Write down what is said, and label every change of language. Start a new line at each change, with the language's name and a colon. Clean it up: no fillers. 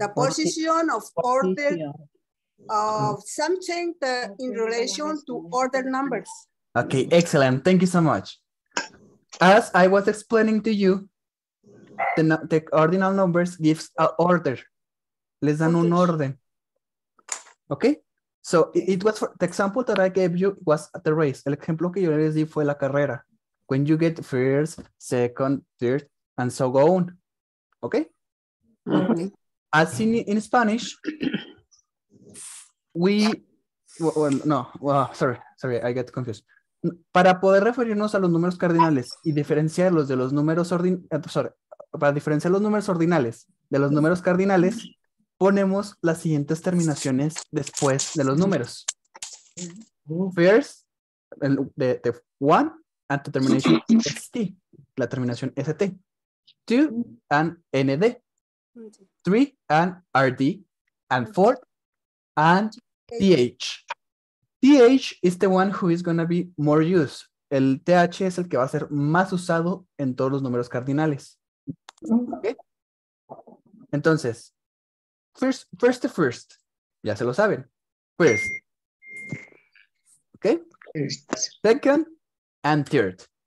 English: the position of order of something that in relation to order numbers. Okay, excellent. Thank you so much. As I was explaining to you, the ordinal numbers gives a order.
Spanish: Les dan un orden.
English: Okay? So it was for, the example that I gave you was at the race.
Spanish: El ejemplo que yo les di fue la carrera.
English: When you get first, second, third, and so on. Okay? Okay. As in Spanish, I get confused.
Spanish: Para poder referirnos a los números cardinales y diferenciarlos de los números ordinales, ponemos las siguientes terminaciones después de los números.
English: First, the one, and the termination ST,
Spanish: la terminación ST.
English: Two, and ND. Three, and RD. And four, and TH. TH is the one who is going to be more used.
Spanish: El TH es el que va a ser más usado en todos los números cardinales. Okay. Entonces, First, ya se lo saben. First. Okay.
English: First. Second and third.